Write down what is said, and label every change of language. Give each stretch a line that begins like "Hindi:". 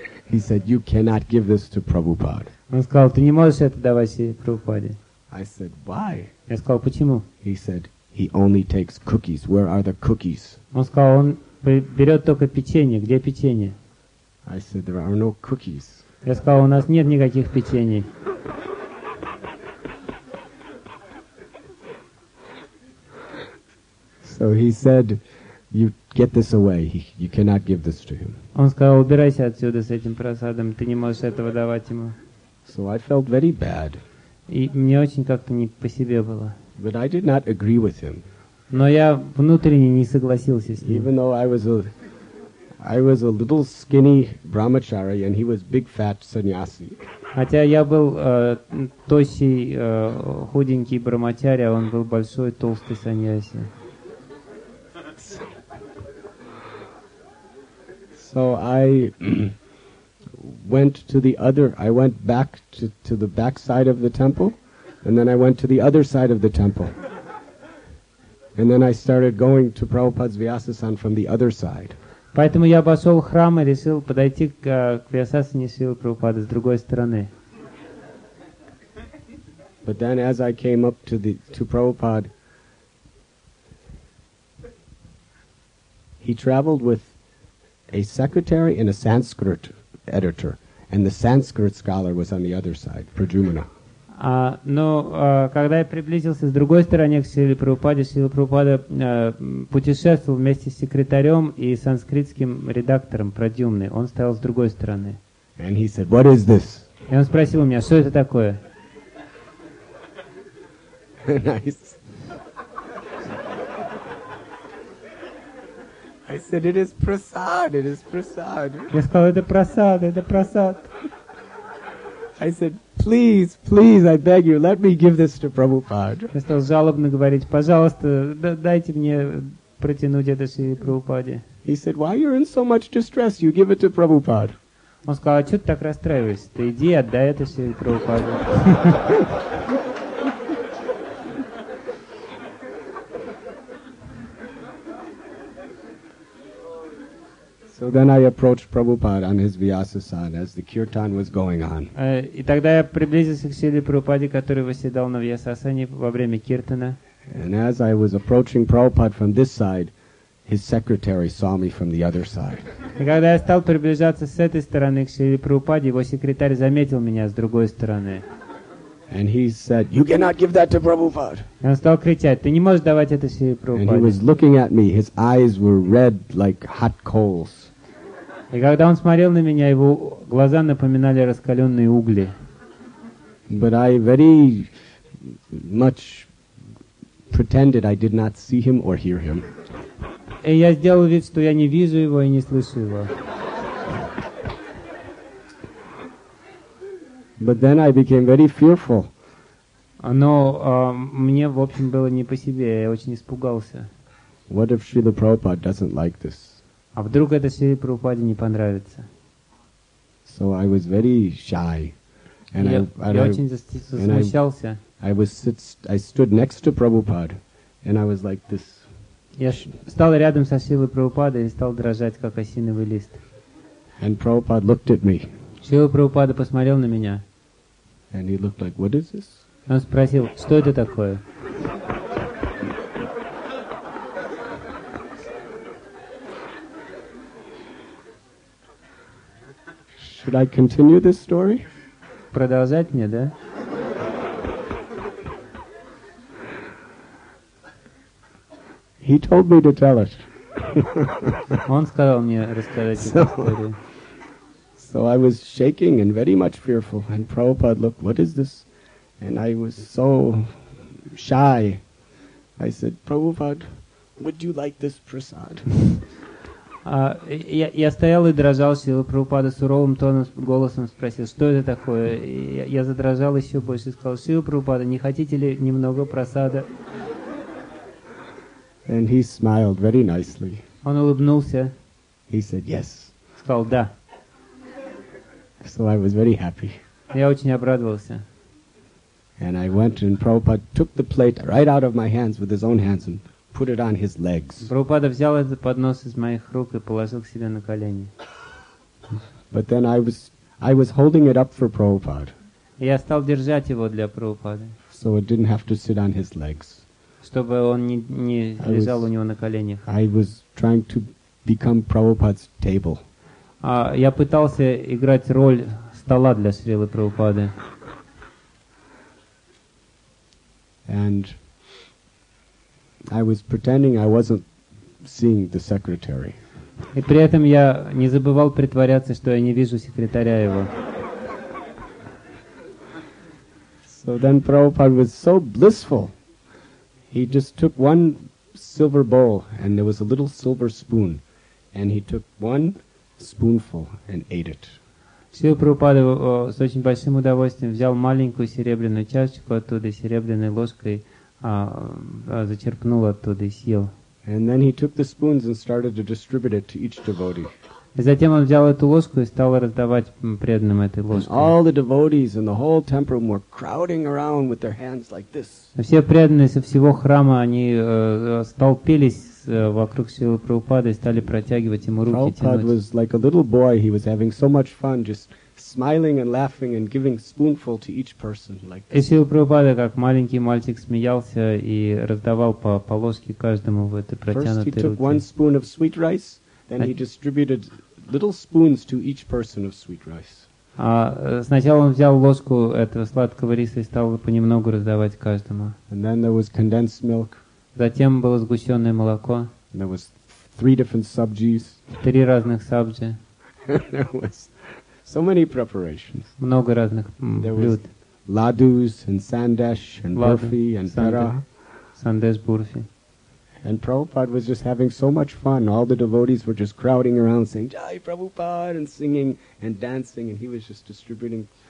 English: He said, "You cannot give this to Prabhupada."
Russian: Он сказал, ты не можешь это давать Шриле Прабхупаде.
English: I said, "Why?"
Russian: Я сказал, почему?
English: He said, "He only takes cookies. Where are the cookies?"
Russian: Он сказал, он берет только печенье. Где печенье?
English: I said, "There are no cookies."
Russian: Я сказал, у нас нет никаких печенье.
English: So he said, "You get this away. You cannot give this to him."
Russian: Он сказал, убирайся отсюда с этим просадом. Ты не можешь этого давать ему.
English: So I felt very bad.
Russian: И мне очень как-то не по себе было.
English: But I did not agree with him.
Russian: Но я внутренне не согласился с ним.
English: Even though I was a little skinny brahmachari and he was big fat sannyasi.
Russian: Хотя я был тощий худенький брахмачари, а он был большой толстый саньяси.
English: So I went back to the back side of the temple. And then I went to the other side of the temple. And then I started going to Prabhupada's Vyasasan from the other side.
Russian: Поэтому я обошел храм и решил подойти к Вьясасане Шрилы Прабхупады с другой стороны.
English: But then as I came up to Prabhupada, he traveled with a secretary and a Sanskrit editor, and the Sanskrit scholar was on the other side, Prajumana.
Russian: Когда я приблизился с другой стороны к Шриле Прабхупаде, Шрила Прабхупада путешествовал вместе с секретарем и санскритским редактором Прадюмны. Он стоял с другой стороны.
English: And he said, "What is this?"
Russian: И он спросил у меня, что это такое?
English: I said, "It is prasad, it is prasad."
Russian: Я сказал, это прасад.
English: I said, please, please, I beg you, let me give this to Prabhupada.
Russian: Я стал жалобно говорить, пожалуйста, дайте мне протянуть это Шри Прабхупаде.
English: He said, why are you in so much distress? You give it to Prabhupada.
Russian: Он сказал, а что ты так расстраиваешься? Ты иди, отдай это Шри Прабхупаде.
English: So then I approached Prabhupada on his Vyasasana as the kirtan was going on.
Russian: И тогда я приблизился к Шриле Прабхупаде, который восседал на Вьясасане во время киртана.
English: And as I was approaching Prabhupada from this side, his secretary saw me from the other side.
Russian: И когда я стал приближаться с этой стороны к Шриле Прабхупаде, его секретарь заметил меня с другой стороны.
English: And he said, "You cannot give that to Prabhupada."
Russian: Он стал кричать: "Ты не можешь давать это Шриле Прабхупаде."
English: And he was looking at me. His eyes were red like hot coals.
Russian: И когда он смотрел на меня, его глаза напоминали раскаленные угли.
English: But I very much pretended I did not see him or hear him.
Russian: И я сделал вид, что я не вижу его и не слышу его.
English: But then I became very fearful.
Russian: Но мне, в общем, было не по себе, я очень испугался.
English: What if Srila Prabhupada doesn't like this?
Russian: А вдруг это Шриле Прабхупаде не понравится?
English: So I was very shy. And
Russian: я очень засмущался.
English: I stood next to Prabhupada, and I was like this.
Russian: Я стал рядом со Шрилой Прабхупадой и стал дрожать, как осиновый лист.
English: And Prabhupada looked at me.
Russian: Шрила Прабхупада посмотрел на меня.
English: And he looked like, what is this?
Russian: Он спросил, что это такое?
English: Should I continue this story?
Russian: Продолжать мне, да?
English: He told me to tell it.
Russian: Он сказал мне рассказать эту историю.
English: So I was shaking and very much fearful, and Prabhupada looked, what is this? And I was so shy. I said, Prabhupada, would you like this prasad?
Russian: Я стоял и дрожал, Шрила Прабхупада суровым тоном, голосом спросил, что это такое? Я задрожал еще больше и сказал, Шрила Прабхупада, не хотите ли немного прасада?
English: And he smiled very nicely.
Russian: Он улыбнулся.
English: He said, yes.
Russian: Сказал, да.
English: So I was very happy.
Russian: Я очень обрадовался.
English: And I went and Prabhupada took the plate right out of my hands with his own hands and put it on his legs.
Russian: Прабхупада взял этот поднос из моих рук и положил к себе на колени.
English: But then I was holding it up for Prabhupada.
Russian: Я стал держать его для Прабхупады.
English: So it didn't have to sit on his legs.
Russian: Чтобы он не лежал у него на коленях.
English: I was trying to become Prabhupada's table.
Russian: Я пытался играть роль стола для Шрилы Прабхупады.
English: And I was pretending I wasn't seeing the secretary.
Russian: И при этом я не забывал притворяться, что я не вижу секретаря его.
English: So then Prabhupada was so blissful. He just took one silver bowl and there was a little silver spoon and he took one spoonful and ate it.
Russian: Шрила Прабхупада с очень большим удовольствием взял маленькую серебряную чашечку оттуда, серебряной ложкой зачерпнул оттуда и съел.
English: And then he took the spoons and started to distribute it to each devotee.
Russian: И затем он взял эту ложку и стал раздавать преданным этой ложкой.
English: And all the devotees in the whole temple were crowding around with their hands like this.
Russian: Все преданные со всего храма они столпились вокруг Шрилы Прабхупады и стали протягивать ему руки, тянуть.
English: Prabhupada was like a little boy. He was having so much fun, just smiling and laughing and giving spoonful to each person.
Russian: И Шрила Прабхупада, как маленький мальчик, смеялся и раздавал по ложке каждому в этой протянутой руке.
English: First he took one spoon of sweet rice, then he distributed little spoons to each person of sweet rice.
Russian: Сначала он взял ложку этого сладкого риса и стал понемногу раздавать каждому.
English: And then there was condensed milk.
Russian: Затем было сгущенное молоко.
English: There was three different subjis.
Russian: Три разных сабджи.
English: There was so many preparations.
Russian: Много разных блюд.
English: Ladus and sandesh and burfi and pera.
Russian: Sandesh burfi.
English: And Prabhupada was just having so much fun. All the devotees were just crowding around saying, Jai Prabhupada, and singing and dancing, and he was just distributing